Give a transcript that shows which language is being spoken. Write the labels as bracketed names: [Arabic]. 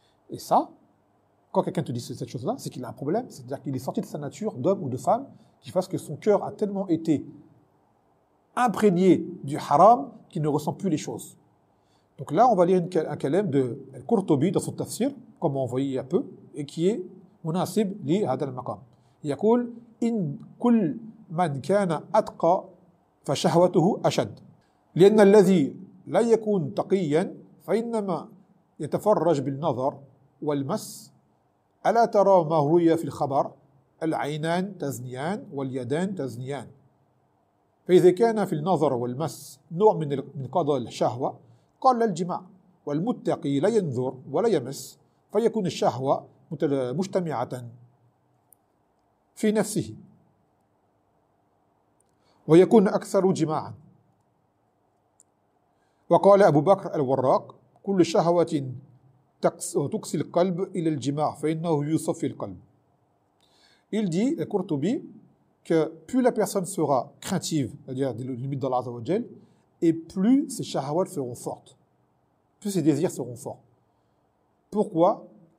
[French] Et ça… Quand quelqu'un te dit cette chose-là, c'est qu'il a un problème, c'est-à-dire qu'il est sorti de sa nature d'homme ou de femme qui fasse que son cœur a tellement été imprégné du haram qu'il ne ressent plus les choses. Donc là, on va lire un kalem de Al-Qurtubi dans son tafsir, comme on voyait il y a peu, et qui est « [Arabic] Munasib li hada al-maqam ». [French] Il y a qu'il [Arabic] « In kul man kana atqa fa shahwatuhu ashad »« Lianna alladhi la yakun taqiyan fa innama yatafarraj bil nazar wal mas » ألا ترى ما روي في الخبر العينان تزنيان واليدان تزنيان فإذا كان في النظر والمس نوع من قضاء الشهوة قال الجماع والمتقي لا ينظر ولا يمس فيكون الشهوة مجتمعة في نفسه ويكون أكثر جماعا وقال أبو بكر الوراق كل شهوة تكسي القلب إلى الجماع فإنه يصفي القلب. [French] Il dit, le Qurtubi, que plus la personne sera craintive, c'est-à-dire des limites d'Allah Azza wa Jal, et plus ses shahawat seront fortes, plus ses désirs seront forts. Pourquoi ?